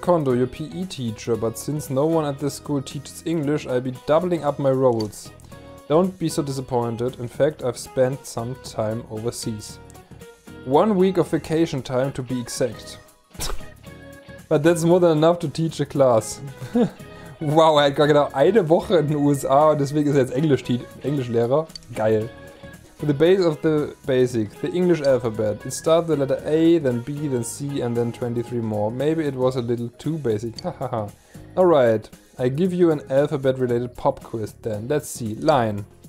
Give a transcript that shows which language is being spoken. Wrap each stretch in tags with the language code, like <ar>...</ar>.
<en>Kondo, your PE teacher, but since no one at this school teaches English, I'll be doubling up my roles. Don't be so disappointed, in fact I've spent some time overseas. 1 week of vacation time to be exact. But that's more than enough to teach a class.</en> <de>Wow, er hat gar genau eine Woche in den USA und deswegen ist er jetzt Englischlehrer. Geil.</de> <en>For the base of the basic, the English alphabet. It starts the letter A, then B, then C and then 23 more. Maybe it was a little too basic. Hahaha. Alright. I give you an alphabet related pop quiz then. Let's see. Line.</en>